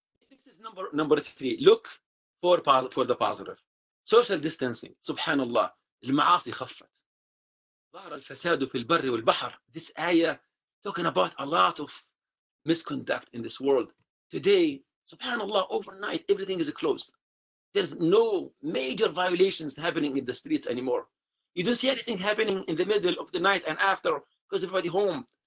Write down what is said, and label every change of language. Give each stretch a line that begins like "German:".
English: This is number three. Look for the positive. Social distancing. Subhanallah.
Arabic: المعاصي خفت. ظهر الفساد في البر والبحر.
English: This ayah talking about a lot of misconduct in this world. Today, subhanAllah, overnight, everything is closed. There's no major violations happening in the streets anymore. You don't see anything happening in the middle of the night and after because everybody home.